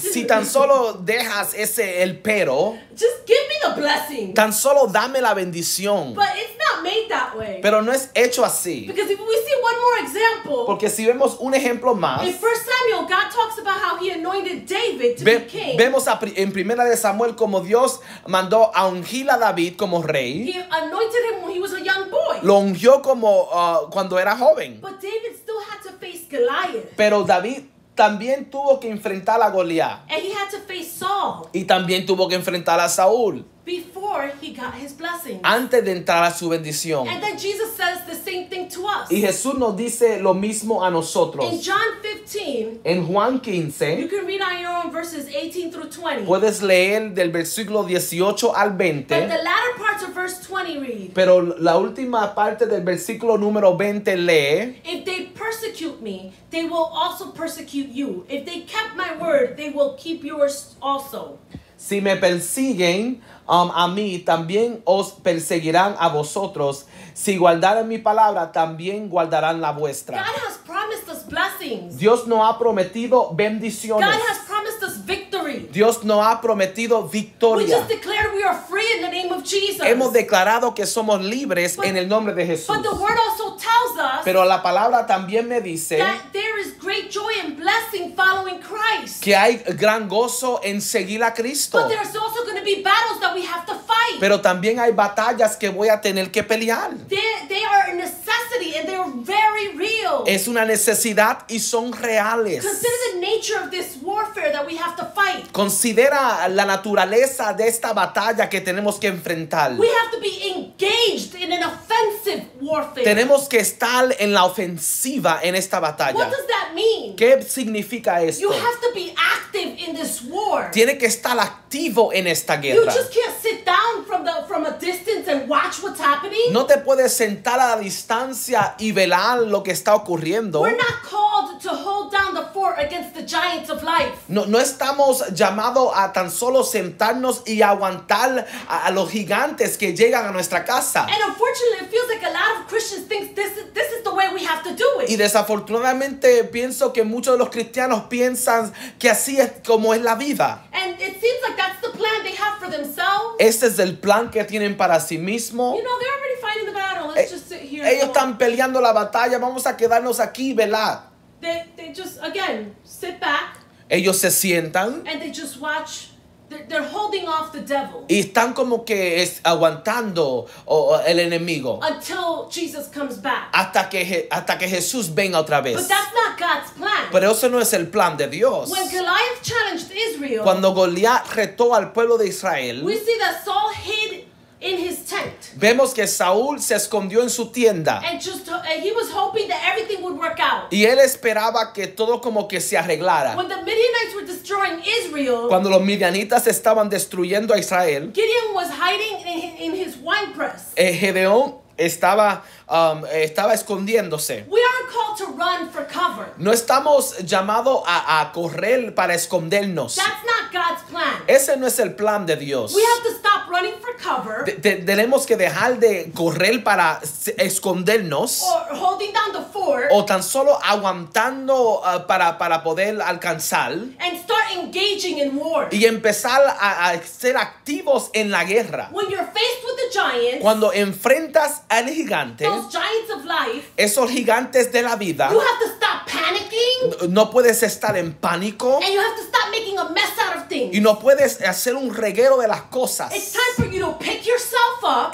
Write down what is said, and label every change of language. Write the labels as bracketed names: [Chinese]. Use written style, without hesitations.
[Spanish] Si tan solo dejas ese el pero. [English] Just give me the blessing. [Spanish] Tan solo dame la bendición. [English] But it's not made that way. [Spanish] Pero no es hecho así. [English] Because if we see one more example. [Spanish] Porque si vemos un ejemplo más. [English] In 1 Samuel, God talks about how he anointed David to be king. [Spanish] Vemos en 1 de Samuel como Dios mandó a ungir a David como rey. [English] He anointed him when he was a young boy. [Spanish] Lo ungió como cuando era joven. [English] But David still had to face Goliath. [Spanish] Pero David también tuvo que enfrentar a Goliat. [English] And he had to face Saul. [Spanish] Y también tuvo que enfrentar a Saúl. [English] Before he got his blessings. [Spanish] Antes de entrar a su bendición. [English] And then Jesus says the same thing to us. [Spanish] Y Jesús nos dice lo mismo a nosotros. [English] In John 15. [Spanish] En Juan 15. [English] You can read on your own verses 18 through 20. [Spanish] Puedes leer del versículo 18 al 20. [English] But the latter parts of verse 20 read. [Spanish] Pero la última parte del versículo número 20 lee. [English] If they persecute me, they will also persecute you. If they kept my word, they will keep yours also. [Spanish] Si me persiguen a mí, también os perseguirán a vosotros. Si guardaran mi palabra, también guardarán la vuestra. [English] God has promised us blessings. [Spanish] Dios nos ha prometido bendiciones. [English] God has promised us victory. [Spanish] Dios nos ha prometido victoria. [English] We just declared we are free in the name of Jesus. [Spanish] Hemos declarado que somos libres en el nombre de Jesús. [English] But the word also tells us. [Spanish] Pero la palabra también me dice [English] that there is great joy and blessing following Christ. [Spanish] Que hay gran gozo en seguir a Cristo. [English] But there's also going to be battles that we have to fight. [Spanish] Pero también hay batallas que voy a tener que pelear. [English] They are a necessity and they are very real. [Spanish] Es una necesidad y son reales. [English] Consider the nature of this warfare that we have to fight. [Spanish] Considera la naturaleza de esta batalla que tenemos que enfrentar. [English] We have to be engaged in an offensive warfare. [Spanish] Tenemos que estar en la ofensiva en esta batalla. [English] What does that mean? [Spanish] ¿Qué significa esto? [English] You have to be active in this war. [Spanish] Tiene que estar activo en esta guerra. [English] You just can't sit down from a distance and watch what's happening. [Spanish] No te puedes sentar a la distancia y velar lo que está ocurriendo. [English] We're not called to hold down the fort against the giants of life. [Spanish] No estamos llamados a tan solo sentarnos y aguantar a los gigantes que llegan a nuestra casa. [English] And unfortunately, it feels like a lot of Christians think this is the way we have to do. it. [Spanish] Y desafortunadamente pienso que muchos de los cristianos piensan que así es como es la vida. [English] And it seems like that's the plan they have for themselves. [Spanish] Ese es el plan que tienen para sí mismos. [English] You know, they're already fighting the battle. Let's just sit here. [Spanish] Ellos están peleando la batalla. Vamos a quedarnos aquí, ¿verdad? [English] They just, again, sit back. [Spanish] Ellos se sientan. [English] And they just watch. They're holding off the devil. [Spanish] Y están como que es aguantando el enemigo. [English] Until Jesus comes back. [Spanish] Hasta que Jesús venga otra vez. [English] But that's not God's plan. [Spanish] Pero eso no es el plan de Dios. [English] When Goliath challenged Israel. [Spanish] Cuando Goliat retó al pueblo de Israel. [English] We see that Saul hid in his tent. [Spanish] Vemos que Saúl se escondió en su tienda. [English] And he was hoping that everything would work out. [Spanish] Y él esperaba que todo como que se arreglara. [English] When the Midianites were destroying Israel. [Spanish] Cuando los Midianitas estaban destruyendo a Israel. [English] Gideon was hiding in his winepress. [Spanish] Gedeón estaba estaba escondiéndose. [English] We aren't called to run for cover. [Spanish] No estamos llamados a correr para escondernos. [English] That's not God's plan. [Spanish] Ese no es el plan de Dios. [English] We have to stop running for cover. [Spanish] Tenemos que dejar de correr para escondernos. [English] Or holding down the fort. [Spanish] O tan solo aguantando para poder alcanzar. [English] And start engaging in war. [Spanish] Y empezar a ser activos en la guerra. [English] When you're faced with the giants. [Spanish] Cuando enfrentas al gigante. [English] Those giants of life, [Spanish] esos gigantes de la vida. [English] You have to stop panicking. [Spanish] No puedes estar en pánico. [English] And you have to stop making a mess out of things. [Spanish] Y no puedes hacer un reguero de las cosas. [English] It's time for you to pick yourself up.